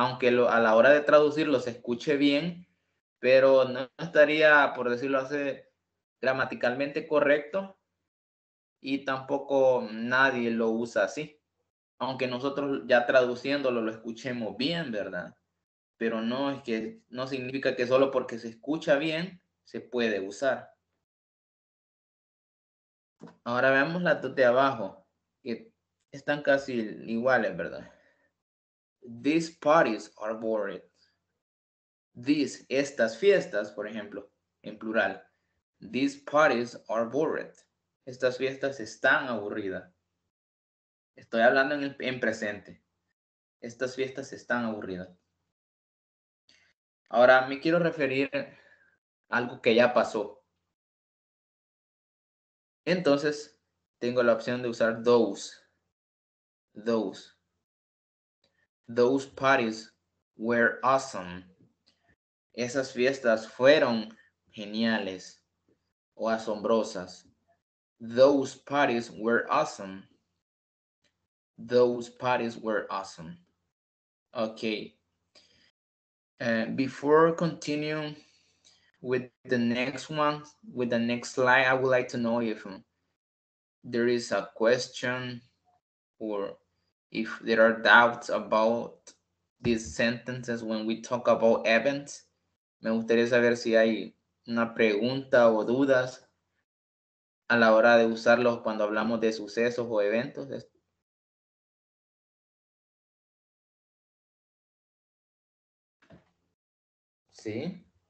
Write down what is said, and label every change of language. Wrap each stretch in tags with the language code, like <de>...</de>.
<es>Aunque a la hora de traducirlo se escuche bien, pero no estaría, por decirlo así, gramaticalmente correcto y tampoco nadie lo usa así, aunque nosotros ya traduciéndolo lo escuchemos bien, ¿verdad? Pero no es que, no significa que solo porque se escucha bien se puede usar. Ahora veamos las dos de abajo, que están casi iguales, ¿verdad?</es> <en>These parties are boring.</en> <es>These, estas fiestas, por ejemplo, en plural.</es> <en>These parties are boring.</en> <es>Estas fiestas están aburridas. Estoy hablando en presente. Estas fiestas están aburridas. Ahora me quiero referir a algo que ya pasó. Entonces, tengo la opción de usar those.</es> <en>Those. Those parties were awesome.</en> <es>Esas fiestas fueron geniales. O asombrosas.</es> <en>Those parties were awesome. Those parties were awesome. Okay. Before continuing with the next one, with the next slide, I would like to know if there is a question or if there are doubts about these sentences when we talk about events.</en> <es>Me gustaría saber si hay una pregunta o dudas a la hora de usarlos cuando hablamos de sucesos o eventos. ¿Sí?</es>